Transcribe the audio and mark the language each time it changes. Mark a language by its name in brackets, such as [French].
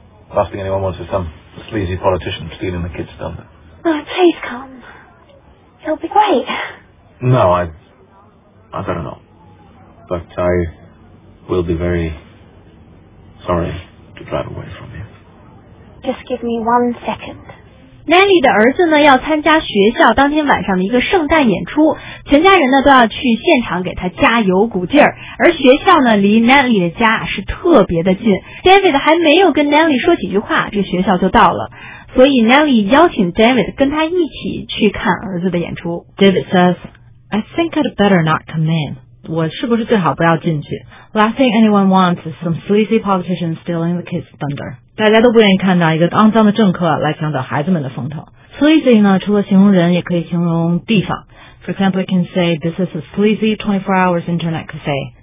[English] The last thing anyone wants is some sleazy politician stealing the kids' thunder. Oh, please come. It'll be great. No, I better not. But I will be very sorry to drive away from you. Just give me one second. [Chinese] Natalie 的儿子呢要参加学校当天晚上的一个圣诞演出，全家人呢都要去现场给他加油鼓劲儿。而学校呢离 Natalie 的家是特别的近， David 还没有跟 Natalie 说几句话，这学校就到了。所以 Natalie 邀请 David 跟他一起去看儿子的演出。 [English] David says, I think I'd better not come in. [Chinese] 我是不是最好不要进去？ [English] Last thing anyone wants is some sleazy politician stealing the kids' thunder. [Chinese] 大家都不愿意看到一个肮脏的政客来抢走孩子们的风头。 Sleazy 呢，除了形容人，也可以形容地方。 [English] For example, you can say this is a sleazy 24 hours internet cafe.